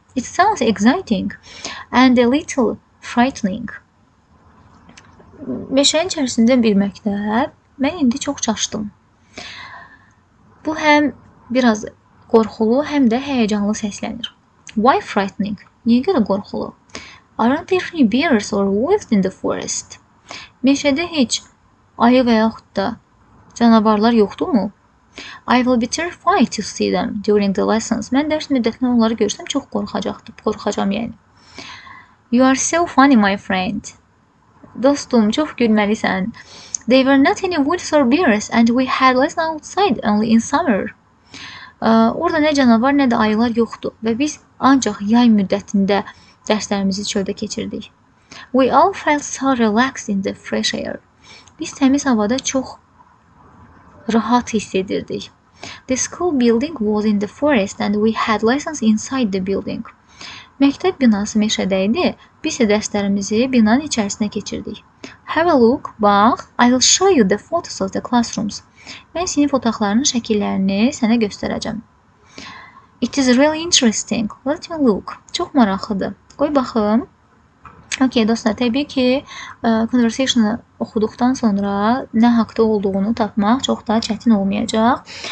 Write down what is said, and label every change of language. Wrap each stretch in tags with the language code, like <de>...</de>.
<en>It sounds exciting and a little frightening.</en> <az>Meşənin içərisində bir məktəb. Mən indi çox çaşdım. Bu həm biraz qorxulu, həm də həyəcanlı səslənir.</az> <en>Why frightening?</en> <az>Niyə görə qorxulu?</az> <en>Aren't there any bears or wolves in the forest?</en> <az>Meşədə heç ayı və yaxud da canavarlar yoxdur mu?</az> <en>I will be terrified to see them during the lessons.</en> <az>Mən dərs müddətində onları görsəm çox qorxacaqdım. Qorxacam yəni.</az> <en>You are so funny, my friend.</en> <az>Dostum, çox gülməlisən.</az> <en>They were not any wolves or bears and we had lessons outside only in summer.</en> <az>Orada nə canavar, nə də ayılar yoxdur və biz ancaq yay müddətində dərslərimizi çöldə keçirdik.</az> <en>We all felt so relaxed in the fresh air.</en> <az>Biz təmiz havada çox rahat hiss edirdik.</az> <en>The school building was in the forest and we had lessons inside the building.</en> <az>Məktəb binası meşədə idi. Biz dərslərimizi binanın içərisində keçirdik.</az> <en>Have a look,</en> <az>bax.</az> <en>I will show you the photos of the classrooms.</en> <az>Mən sinif otaqlarının şəkillərini sənə göstərəcəm.</az> <en>It is really interesting. Let me look.</en> <az>Çox maraqlıdır. Qoy baxım. Okey, dostlar, təbii ki, conversation-ı oxuduqdan sonra nə haqda olduğunu tapmaq çox daha çətin olmayacaq.</az>